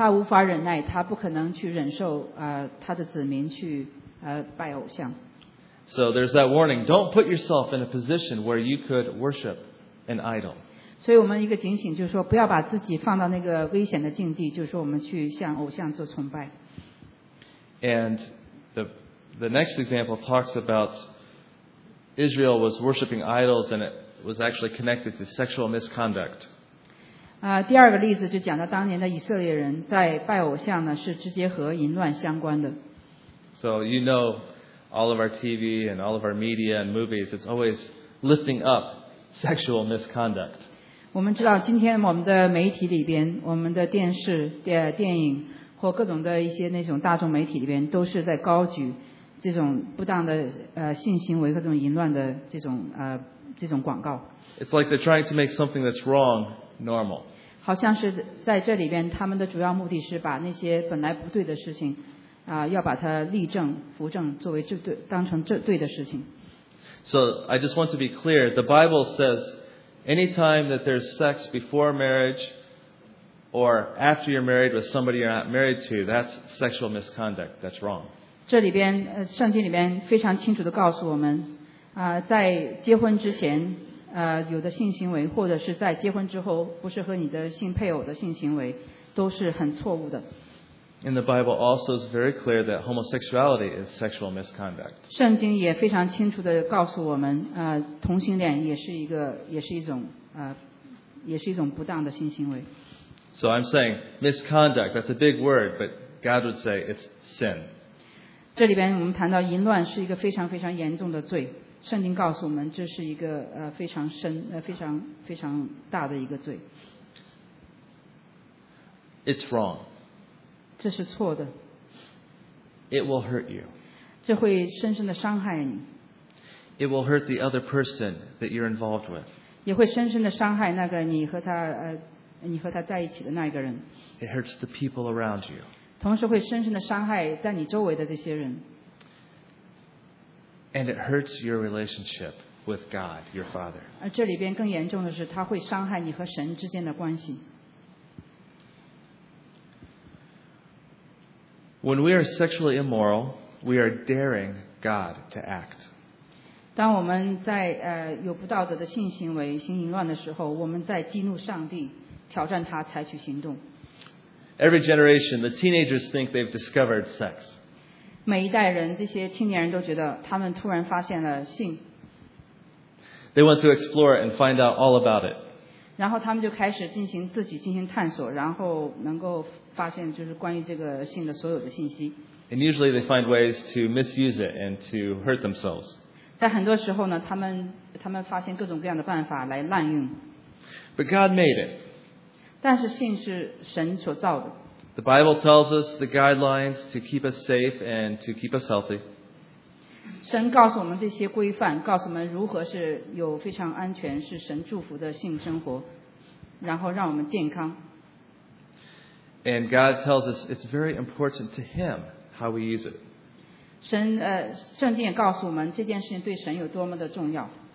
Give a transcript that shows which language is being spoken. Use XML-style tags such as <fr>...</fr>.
<zh>他无法忍耐，他不可能去忍受他的子民去拜偶像。</zh> <en>So there's that warning. Don't put yourself in a position where you could worship an idol.</en> <zh>所以我们一个警醒就是说，不要把自己放到那个危险的境地，就是说我们去向偶像做崇拜。</zh> <en>And the next example talks about Israel was worshiping idols, and it was actually connected to sexual misconduct.</en> <zh>第二个例子就讲到当年的以色列人在拜偶像呢，是直接和淫乱相关的。</zh> <en>So you know. All of our TV and all of our media and movies, it's always lifting up sexual misconduct.</en> <zh>我们知道今天我们的媒体里边，我们的电视、电影或各种的一些那种大众媒体里边，都是在高举这种不当的性行为和这种淫乱的这种广告。</zh> <en>It's like they're trying to make something that's wrong normal.</en> <zh>好像是在这里边，他们的主要目的是把那些本来不对的事情。要把它立正扶正作为这对当成这对的事情。</zh> <en>So I just want to be clear, the Bible says anytime that there's sex before marriage or after you're married with somebody you're not married to, that's sexual misconduct, that's wrong.</en> <zh>这里边圣经里边非常清楚地告诉我们在结婚之前有的性行为或者是在结婚之后不是和你的性配偶的性行为都是很错误的。</zh> <en>And the Bible also is very clear that homosexuality is sexual misconduct.</en> <zh>圣经也非常清楚地告诉我们，同性恋也是一种不当的性行为。</zh> <en>So I'm saying misconduct, that's a big word, but God would say it's sin.</en> <zh>这里边我们谈到淫乱是一个非常非常严重的罪，圣经告诉我们这是一个非常深非常非常大的一个罪。</zh> <en>It's wrong.</en> <zh>这是错的。</zh> <en>It will hurt you.</en> <zh>这会深深的伤害你。</zh> <en>It will hurt the other person that you're involved with.</en> <zh>也会深深的伤害那个你和他在一起的那一个人。</zh> <en>It hurts the people around you.</en> <zh>同时会深深的伤害在你周围的这些人。</zh> <en>And it hurts your relationship with God, your Father.</en> <zh>而这里边更严重的是，它会伤害你和神之间的关系。</zh> <en>When we are sexually immoral, we are daring God to act.</en> <zh>当我们在有不道德的性行为、行淫乱的时候，我们在激怒上帝，挑战他采取行动。</zh> <en>Every generation, the teenagers think they've discovered sex.</en> <zh>每一代人, 这些青年人, 都觉得他们突然发现了性。</zh> <en>They want to explore and find out all about it.</en> <zh>然后他们就开始自己进行探索, 然后能够发现就是关于这个性的所有的信息。</zh> <en>And usually they find ways to misuse it and to hurt themselves.</en> <zh>在很多时候呢, 他们发现各种各样的办法来滥用。</zh> <en>But God made it.</en> <zh>但是性是神所造的。</zh> <en>The Bible tells us the guidelines to keep us safe and to keep us healthy.</en> <zh>神告诉我们这些规范, 告诉我们如何是有非常安全, 是神祝福的性生活, 然后让我们健康。</zh> <en>And God tells us it's very important to Him how we use it.</en> <zh>神, 圣经也告诉我们这件事情对神有多么的重要。</zh>